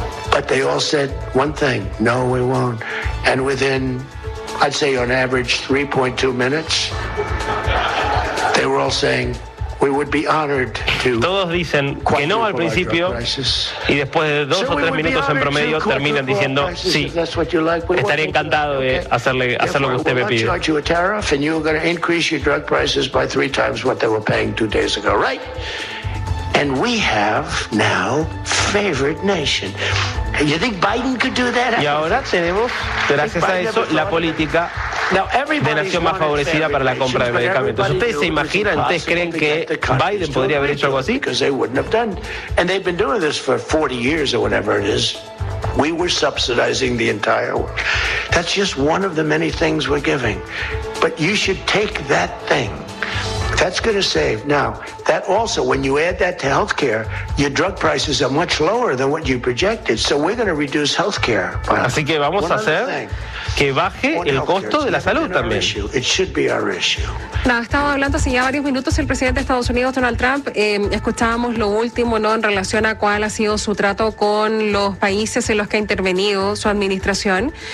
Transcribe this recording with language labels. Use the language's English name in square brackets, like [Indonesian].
[English] But they all said one thing, no, we won't. And within, I'd say on average, 3.2 minutes, they were all saying, we would be honored to. [Spanish] Todos dicen que no al principio, y después de dos o tres minutos en promedio terminan diciendo sí. Estaría encantado de hacer lo que usted me pide. [English] Charge you a tariff, and you're going to increase your drug prices by three times what they were paying 2 days ago, right? And we have now favored nation. You think Biden could do that? [Spanish] Y ahora tenemos, gracias a eso, la política de nación más favorecida para la compra de medicamentos. ¿Ustedes se imaginan, ustedes creen que Biden podría haber hecho algo así? [English] Because they wouldn't have done. And they've been doing this for 40 years or whatever it is. We were subsidizing the entire world. That's just one of the many things we're giving. But you should take that thing. That's going to save. Now, that also, when you add that to health care, your drug prices are much lower than what you projected. So we're going to reduce health care. [Spanish] Así que vamos a hacer que baje el costo de la salud también. [English] It should be our issue. [Spanish] Nada, estaba hablando hace ya varios minutos el presidente de Estados Unidos, Donald Trump. Escuchábamos lo último, ¿no?, en relación a cuál ha sido su trato con los países en los que ha intervenido su administración.